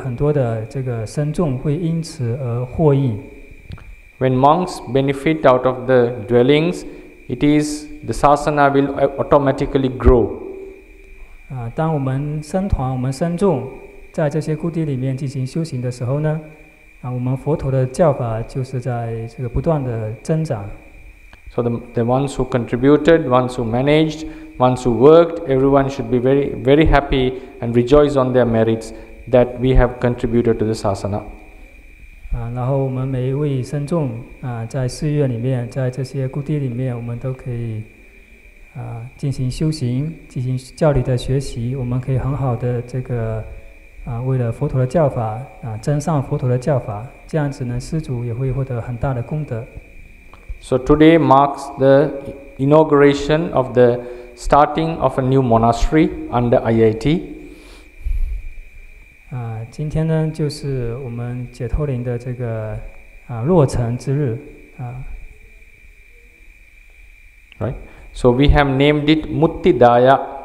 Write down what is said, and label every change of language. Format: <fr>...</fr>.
<zh>因此呢，他供养这个建筑、故地给这个僧团呢，以后会有很多的这个僧众会因此而获益。</zh> <en>When monks benefit out of the dwellings, it is the sasana will automatically grow.</en> <zh>当我们僧团、我们僧众在这些故地里面进行修行的时候呢， 我们佛陀的教法就是在这个不断的增长。</zh> <en>So the ones who contributed, ones who managed, ones who worked, everyone should be very, very happy and rejoice on their merits. that we have contributed to the sasana.</en> <zh>然后我们每一位僧众, 在寺院里面, 在这些故地里面, 我们都可以, 进行修行, 进行教理的学习, 我们可以很好的这个, 为了佛陀的教法, 增上佛陀的教法, 这样子呢, 师祖也会获得很大的功德。</zh> <en>So today marks the inauguration of the starting of a new monastery under IIT.</en> <zh>今天呢, 就是我们解脱林的这个, 落成之日,</zh> <en>right? So we have named it Muttidaya.</en>